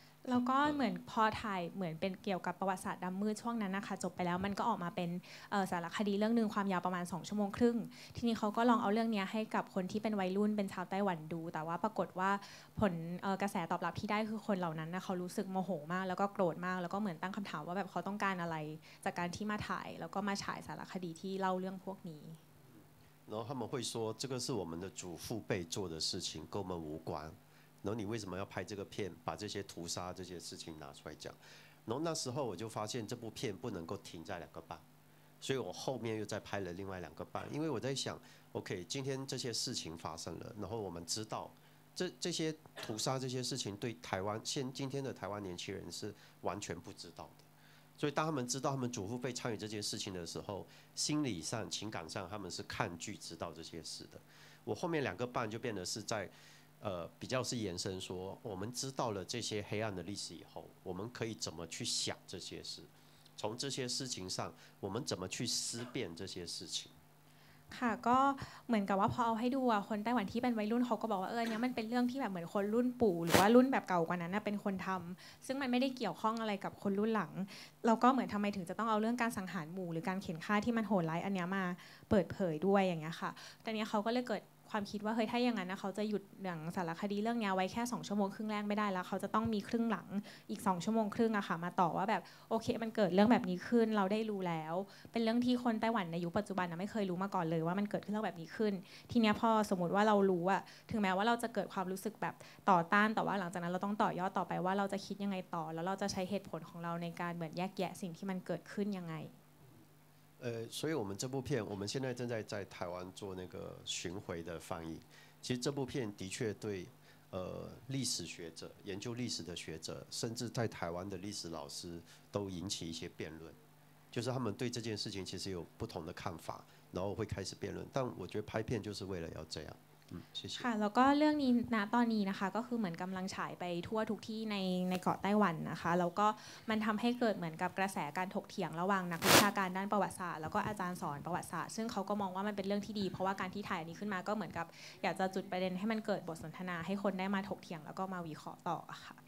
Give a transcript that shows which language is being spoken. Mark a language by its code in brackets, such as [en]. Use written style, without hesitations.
[th] แล้วก็เหมือนพอถ่ายเหมือนเป็นเกี่ยวกับประวัติศาสตร์ดำมืดช่วงนั้นนะคะจบไปแล้วมันก็ออกมาเป็นสารคดีเรื่องนึงความยาวประมาณ2ชั่วโมงครึ่งทีนี้เขาก็ลองเอาเรื่องนี้ให้กับคนที่เป็นวัยรุ่นเป็นชาวไต้หวันดูแต่ว่าปรากฏว่าผลกระแสตอบรับที่ได้คือคนเหล่านั้นนะเขารู้สึกโมโหมากแล้วก็โกรธมากแล้วก็เหมือนตั้งคำถามว่าแบบเขาต้องการอะไรจากการที่มาถ่ายแล้วก็มาฉายสารคดีที่เล่าเรื่องพวกนี้ [zh] 然后他们会说，这个是我们的祖父辈做的事情，跟我们无关。然后你为什么要拍这个片，把这些屠杀这些事情拿出来讲？然后那时候我就发现这部片不能够停在两个半，所以我后面又再拍了另外两个半。因为我在想 ，OK， 今天这些事情发生了，然后我们知道这些屠杀这些事情对台湾今天的台湾年轻人是完全不知道的。所以当他们知道他们祖父辈参与这件事情的时候，心理上、情感上，他们是抗拒知道这些事的。我后面两个半就变得是在，比较是延伸说，我们知道了这些黑暗的历史以后，我们可以怎么去想这些事？从这些事情上，我们怎么去思辨这些事情？ [th] ค่ะก็เหมือนกับว่าพอเอาให้ดูอ่ะคนไต้หวันที่เป็นวัยรุ่นเขาก็บอกว่าเนี่ยมันเป็นเรื่องที่แบบเหมือนคนรุ่นปู่หรือว่ารุ่นแบบเก่ากว่านั้นน่ะเป็นคนทำซึ่งมันไม่ได้เกี่ยวข้องอะไรกับคนรุ่นหลังแล้วก็เหมือนทำไมถึงจะต้องเอาเรื่องการสังหารหมู่หรือการเข็นฆ่าที่มันโหดร้ายอันนี้มา เปิดเผยด้วยอย่างเงี้ยค่ะแต่เนี้ยเขาก็เลยเกิดความคิดว่าเฮ้ยถ้าอย่างนั้นนะเขาจะหยุดหนังสารคดีเรื่องนี้ไว้แค่2ชั่วโมงครึ่งแรกไม่ได้แล้วเขาจะต้องมีครึ่งหลังอีก2ชั่วโมงครึ่งอะค่ะมาต่อว่าแบบโอเคมันเกิดเรื่องแบบนี้ขึ้นเราได้รู้แล้วเป็นเรื่องที่คนไต้หวันในยุคปัจจุบันนะไม่เคยรู้มาก่อนเลยว่ามันเกิดเรื่องแบบนี้ขึ้นทีเนี้ยพอสมมติว่าเรารู้อะถึงแม้ว่าเราจะเกิดความรู้สึกแบบต่อต้านแต่ว่าหลังจากนั้นเราต้องต่อยอดต่อไปว่าเราจะคิดยังไงต่อแล้วเราจะใช้เหตุผลของเราในการเหมือนแยกแยะสิ่งที่มันเกิดขึ้นยังไง [zh] 所以我们这部片，我们现在正在台湾做那个巡回的放映。其实这部片的确对，历史学者、研究历史的学者，甚至在台湾的历史老师都引起一些辩论，就是他们对这件事情其实有不同的看法，然后会开始辩论。但我觉得拍片就是为了要这样。 [th] ค่ะแล้วก็เรื่องนี้นะตอนนี้นะคะก็คือเหมือนกำลังฉายไปทั่วทุกที่ในเกาะไต้หวันนะคะแล้วก็มันทำให้เกิดเหมือนกับกระแสการถกเถียงระหว่างนักวิชาการด้านประวัติศาสตร์แล้วก็อาจารย์สอนประวัติศาสตร์ซึ่งเขาก็มองว่ามันเป็นเรื่องที่ดีเพราะว่าการที่ถ่ายอันนี้ขึ้นมาก็เหมือนกับอยากจะจุดประเด็นให้มันเกิดบทสนทนาให้คนได้มาถกเถียงแล้วก็มาวิเคราะห์ต่อค่ะ